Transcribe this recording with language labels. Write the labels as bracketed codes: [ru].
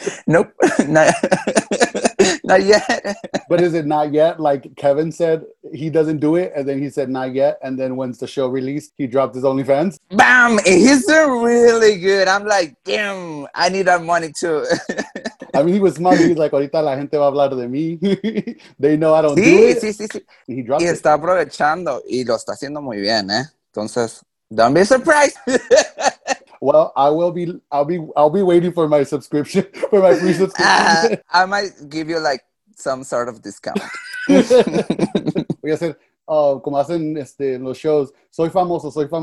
[en] Nope. Not yet. But is it not yet? Like Kevin said, he doesn't do it. And then he said, not yet. And then once the show released, he dropped his OnlyFans. Bam! He's doing really good. I'm like, damn, I need that money too. I mean, he was smart. He's like, [es] ahorita la gente va a hablar de mí. [en] They know I don't [es] sí, [en] do it. [es] Sí, sí, sí. [en] He dropped [es] y está [en] it. [es] Aprovechando. Y lo está haciendo muy bien, eh? Entonces, [en] don't be surprised. Well, I'll be waiting for my subscription, for my free subscription. I might give you like some sort of discount. [es] Voy a hacer, como hacen los shows, soy famoso.